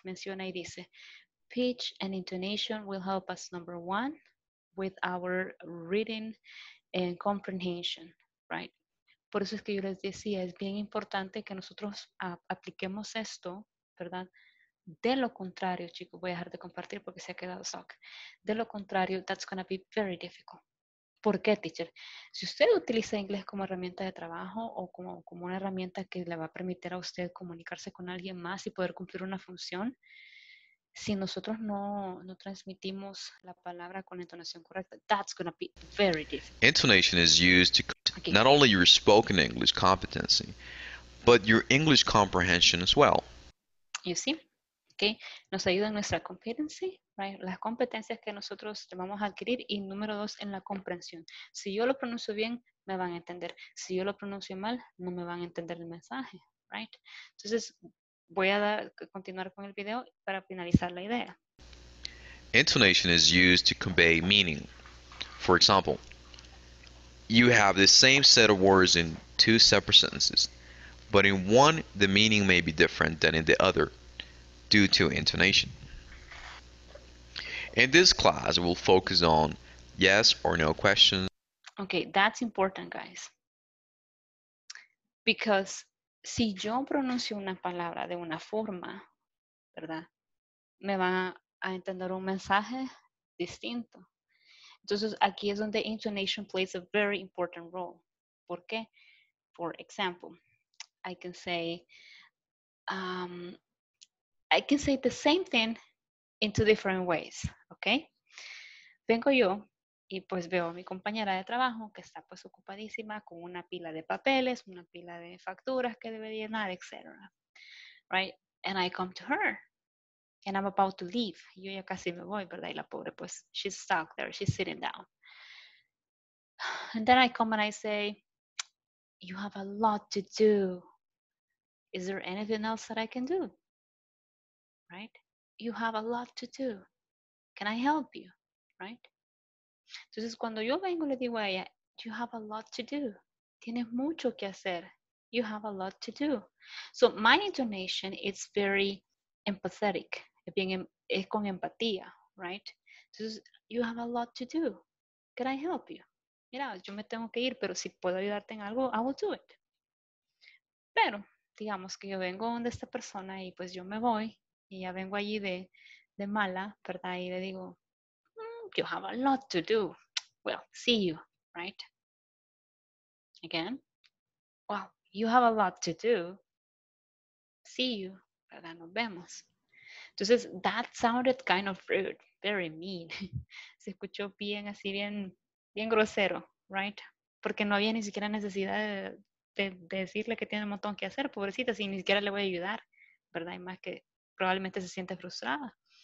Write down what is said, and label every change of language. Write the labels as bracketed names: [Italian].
[Spanish] Menciona y dice, [English] pitch and intonation will help us, number one, with our reading and comprehension, right? [Spanish] Por eso es que yo les decía, es bien importante que nosotros apliquemos esto, ¿verdad? De lo contrario, chicos, voy a dejar de compartir porque se ha quedado stuck. De lo contrario, [English] that's going to be very difficult. [Spanish] ¿Por qué, teacher? Si usted utiliza inglés como herramienta de trabajo o como una herramienta que le va a permitir a usted comunicarse con alguien más y poder cumplir una función, si nosotros no transmitimos la palabra con la entonación correcta, [English] that's going to be very difficult. Intonation is used to not only your spoken English competency, but your English comprehension as well. You see? Okay. [Spanish] Nos ayuda en nuestra competency. Right? Las competencias que nosotros vamos a adquirir y número dos en la comprensión. Si yo lo pronuncio bien, me van a entender. Si yo lo pronuncio mal, no me van a entender el mensaje. Right? Entonces, voy a continuar con el video para finalizar la idea. [English] Intonation is used to convey meaning. For example, you have the same set of words in two separate sentences, but in one, the meaning may be different than in the other due to intonation. In this class, we'll focus on yes or no questions. Okay, that's important, guys. Because [Spanish] si yo pronuncio una palabra de una forma, ¿verdad? Me van a entender un mensaje distinto. Entonces, aquí es donde [English] intonation plays a very important role. [Spanish] ¿Por qué? [English] For example, I can say the same thing in two different ways, okay? [Spanish] Vengo yo y pues veo a mi compañera de trabajo que está pues ocupadísima con una pila de papeles, una pila de facturas que debe llenar, etc. [English] Right? And I come to her and I'm about to leave. [Spanish] Yo ya casi me voy, ¿verdad? Y la pobre pues, [English] she's stuck there, she's sitting down. And then I come and I say, you have a lot to do. Is there anything else that I can do? Right? You have a lot to do. Can I help you? Right? [Spanish] Entonces, cuando yo vengo, le digo a ella, [English] you have a lot to do. [Spanish] Tienes mucho que hacer. [English] You have a lot to do. So, my intonation is very empathetic. [Spanish] Es con empatía, [English] right? Entonces, you have a lot to do. Can I help you? [Spanish] Mira, yo me tengo que ir, pero si puedo ayudarte en algo, [English] I will do it. [Spanish] Pero, digamos que yo vengo donde esta persona y pues yo me voy. y ya vengo allí de mala, ¿verdad? Y le digo, [English] you have a lot to do. Well, see you, right? Again. Well, you have a lot to do. See you, [Spanish] ¿verdad? Nos vemos. [English] Entonces, that sounded kind of rude, very mean. [Spanish] Se escuchó bien, así bien, bien grosero, right? Porque no había ni siquiera necesidad de decirle que tiene un montón que hacer, pobrecita, si ni siquiera le voy a ayudar, ¿verdad? Y más que probablemente se siente frustrada.